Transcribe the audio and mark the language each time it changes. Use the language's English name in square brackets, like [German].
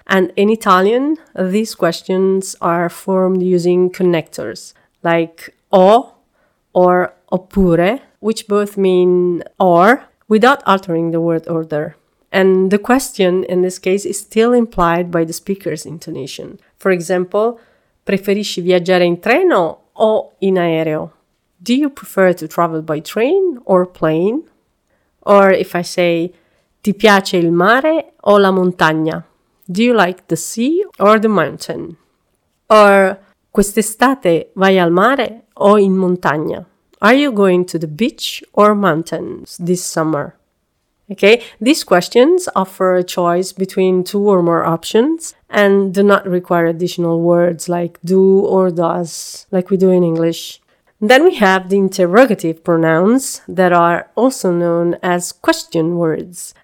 [English] And in Italian, these questions are formed using connectors like o or oppure, which both mean or without altering the word order. And the question in this case is still implied by the speaker's intonation. For example, [Italian] preferisci viaggiare in treno o in aereo? [English] Do you prefer to travel by train or plane? Or if I say, [Italian] ti piace il mare o la montagna? [English] Do you like the sea or the mountain? [Italian] Or, quest'estate vai al mare o in montagna? [English] Are you going to the beach or mountains this summer? Okay, these questions offer a choice between two or more options and do not require additional words like do or does, like we do in English. Then we have the interrogative pronouns that are also known as question words.